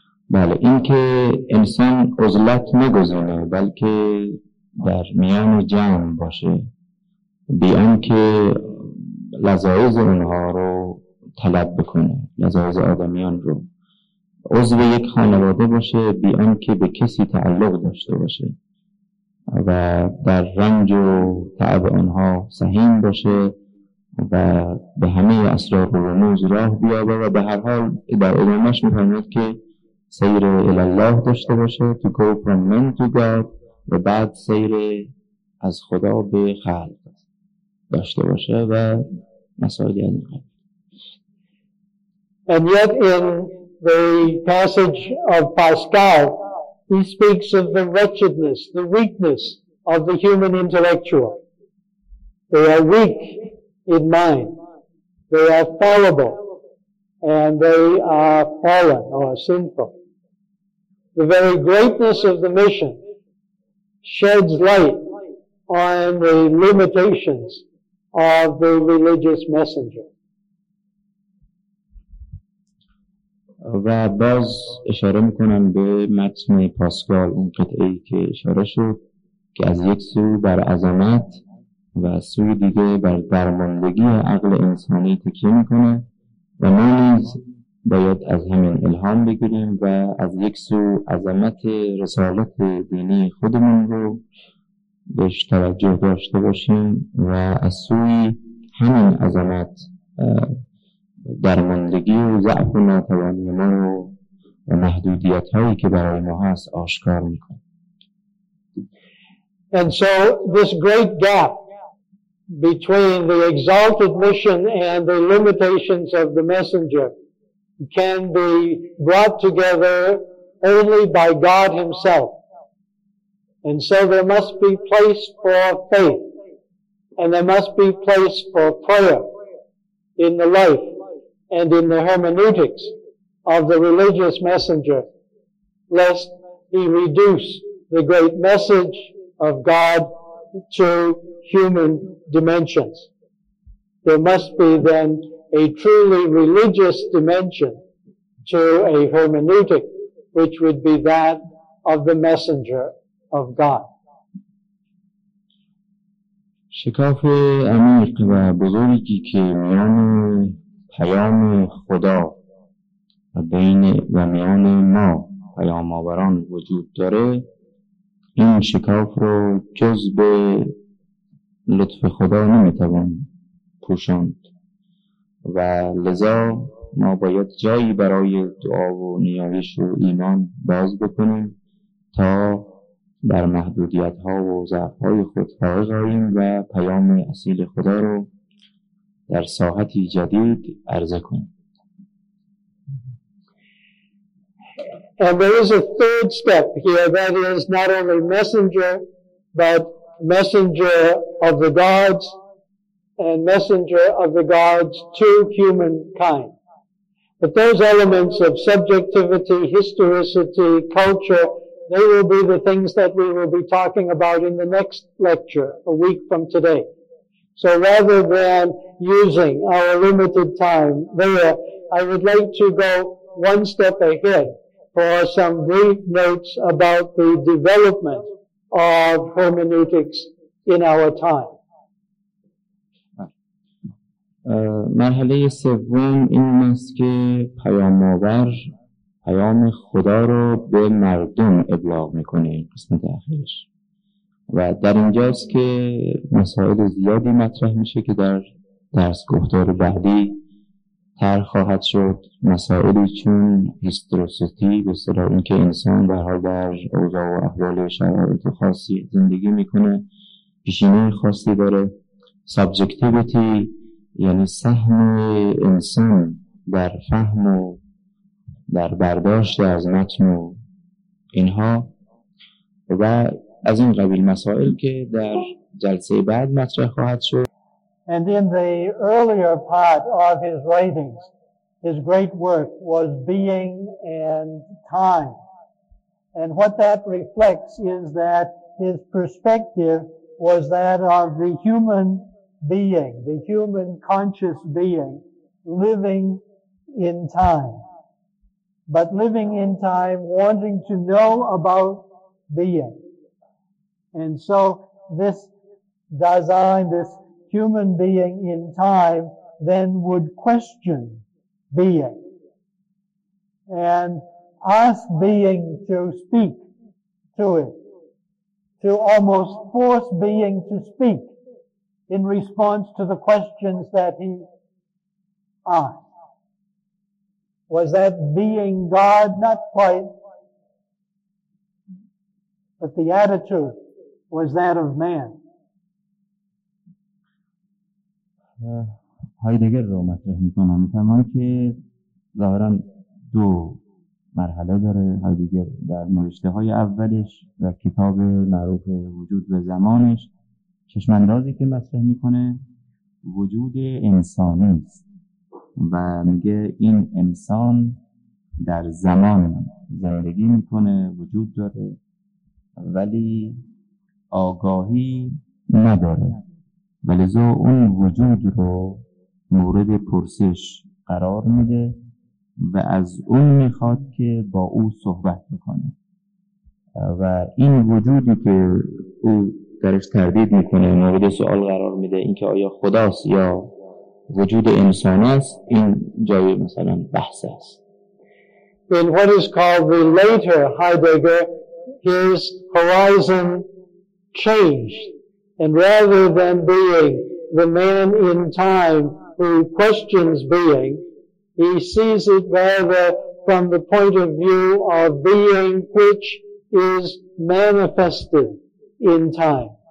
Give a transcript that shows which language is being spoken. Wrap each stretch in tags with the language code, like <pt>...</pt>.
<fa>بله، این که انسان عزلت نگزینه بلکه در میان جمع باشه، بیان که لذایز اونها رو طلب بکنه، لذایز آدمیان رو، عضو یک خانواده باشه بیان که به کسی تعلق داشته باشه و در رنج و تعب آنها سهیم باشه و به همه اسرار و رموز راه بیابه. و به هر حال در ادامهش می‌فرماید که سیر الله داشته باشه،</fa> <en>to go from men to God،</en> <fa>و بعد سیر از خدا به خلق داشته باشه و مسائل دیگه.</fa> <en>And yet in the passage of Pascal he speaks of the wretchedness, the weakness of the human intellectual. They are weak in mind. They are fallible. And they are fallen or sinful. The very greatness of the mission sheds light on the limitations of the religious messenger.</en> <fa>و باز اشاره میکنم به متن پاسکال، اون قطعه ای که اشاره شد که از یک سو بر عظمت و سوی دیگه بر درماندگی عقل انسانی تکیه میکنه و ما نیز باید از همین الهام بگیریم و از یک سو عظمت رسالت دینی خودمون رو بهش توجه داشته باشیم و از سوی همین عظمت درماندگی و ضعف و ناتوانی ما رو و محدودیت هایی که برای ما هست آشکار میکنه.</fa> <en>And so this great gap between the exalted mission and the limitations of the messenger can be brought together only by God himself. And so there must be place for faith and there must be place for prayer in the life and in the hermeneutics of the religious messenger, lest he reduce the great message of God to human dimensions. There must be then a truly religious dimension to a hermeneutic, which would be that of the messenger of God.</en> <fa>شکاف عمیق و بزرگی که میان پیام خدا و بین و میان ما پیام آوران وجود داره، این شکاف رو جز به لطف خدا نمیتوان پوشاند و لذا ما باید جایی برای دعا و نیایش و ایمان باز بکنیم تا بر محدودیت ها و ضعف های خود فائق آییم و پیام اصیل خدا رو در ساحتی جدید عرضه کنیم.</fa> <en>And there is a third step here, that is not only messenger, but messenger of the gods and messenger of the gods to humankind. But those elements of subjectivity, historicity, culture, they will be the things that we will be talking about in the next lecture, a week from today. So rather than using our limited time there, I would like to go one step ahead for some brief notes about the development of hermeneutics in our time.</en> <fa>مرحله سوم این است که پیام‌آور پیام خدا رو به مردم ابلاغ میکنه، قسمت آخرش. و در اینجاست که مسائل زیادی مطرح میشه که در درس گفتار بعدی طرح خواهد شد. مسائلی چون هیستروسیتی، به اصطلاح این که انسان به حال در اوضاع و احوال شرایط خاصی زندگی میکنه، پیشینه خاصی داره. سابجکتیویتی یعنی سهم انسان در فهم و در برداشت از متن و اینها، و از این قبیل مسائل که در جلسه بعد مطرح خواهد شد.</fa> <en>And in the earlier part of his writings, his great work was Being and Time. And what that reflects is that his perspective was that of the human being, the human conscious being, living in time. But living in time, wanting to know about being. And so this design, this human being in time, then would question being and ask being to speak to it, to almost force being to speak in response to the questions that he asked. was that being God, not quite, but the attitude was that of man.</en> <fa>هایدگر رو مطرح میکنم فهمان که ظاهرا دو مرحله داره هایدگر در نوشته های اولش و کتاب معروف وجود و زمانش چشماندازی که مطرح میکنه وجود انسانی است و میگه این انسان در زمان زندگی میکنه وجود داره ولی آگاهی نداره ولذا اون وجود رو مورد پرسش قرار میده و از اون میخواد که با او صحبت بکنه و این وجودی که او درش تردید میکنه مورد سوال قرار میده اینکه آیا خداست یا وجود انسان است این جای مثلا بحث است</fa> <en>In what is called the later Heidegger his horizon changed and rather than being the man in time who questions being, he sees it rather from the point of view of being which is manifested in time.</en>